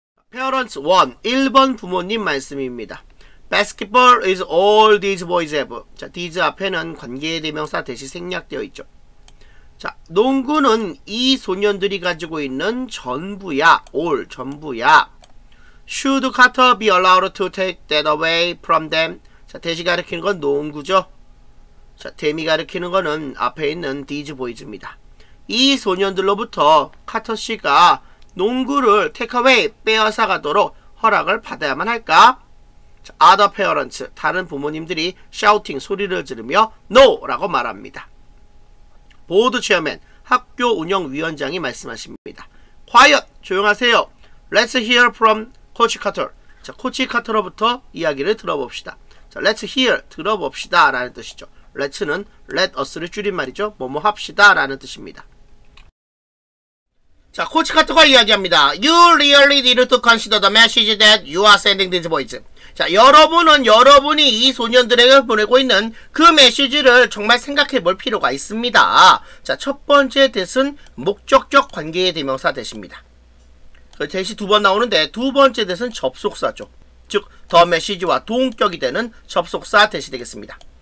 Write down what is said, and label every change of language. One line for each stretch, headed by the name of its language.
English: Parents 1,
Korean: 1번 부모님 말씀입니다.
English: Basketball is all these boys have.
Korean: 자, these 앞에는 관계대명사 대시 생략되어 있죠. 자, 농구는 이 소년들이 가지고 있는 전부야, all, 전부야.
English: Should Carter be allowed to take that away from them?
Korean: 자, 대시 가리키는 건 농구죠. 자, 데미 가리키는 거는 앞에 있는 these boys입니다. 이 소년들로부터 카터 씨가 농구를 take away, 빼앗아 가도록 허락을 받아야만 할까? 자, other parents, 다른 부모님들이 shouting, 소리를 지르며 no! 라고 말합니다. 보드 체어맨, 학교 운영위원장이 말씀하십니다.
English: Quiet!
Korean: 조용하세요.
English: Let's hear from Coach Carter.
Korean: 자, Coach Carter로부터 이야기를 들어봅시다. 자, let's hear, 들어봅시다 라는 뜻이죠. Let's는 let us를 줄인 말이죠. 뭐뭐 합시다 라는 뜻입니다. 자, Coach Carter가 이야기합니다.
English: You really need to consider the message that you are sending these boys.
Korean: 자, 여러분은 여러분이 이 소년들에게 보내고 있는 그 메시지를 정말 생각해 볼 필요가 있습니다. 자, 첫 번째 뜻은 목적격 관계의 대명사 뜻입니다. 대시 두 번 나오는데 두 번째 뜻은 접속사죠. 즉, 더 메시지와 동격이 되는 접속사 대시 되겠습니다.